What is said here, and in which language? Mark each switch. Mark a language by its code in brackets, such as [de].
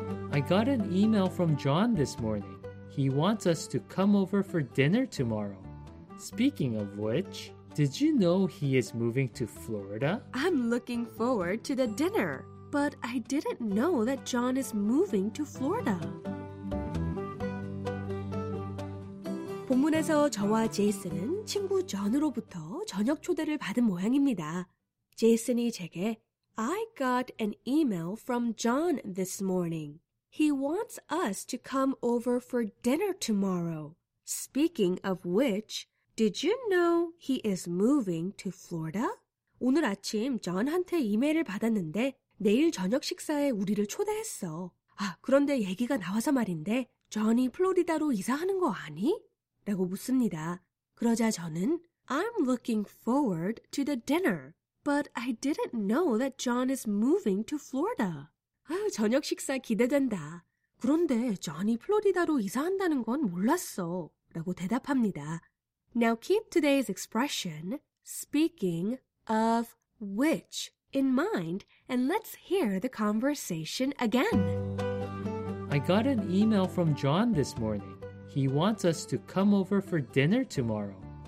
[en] I got an email from John this morning. He wants us to come over for dinner tomorrow. Speaking of which, did you know he is moving to Florida? I'm looking forward to the dinner, but I didn't know that John is moving to Florida. [ko] 본문에서 저와 제이슨은 친구 존으로부터 저녁 초대를 받은 모양입니다. 제이슨이 제게 [en] I got an email from John this morning. He wants us to come over for dinner tomorrow. Speaking of which, did you know he is moving to Florida? [ko] 오늘 아침 존한테 이메일을 받았는데 내일 저녁 식사에 우리를 초대했어. 아, 그런데 얘기가 나와서 말인데 존이 플로리다로 이사하는 거 아니? 라고 묻습니다. 그러자 저는 [en] I'm looking forward to the dinner. But I didn't know that John is moving to Florida. [ko] 아, 저녁 식사 기대된다. 그런데 John이 플로리다로 이사한다는 건 몰랐어. 라고 대답합니다. [en] Now keep today's expression, speaking of which, in mind, and let's hear the conversation again. I got an email from John this morning. He wants us to come over for dinner tomorrow.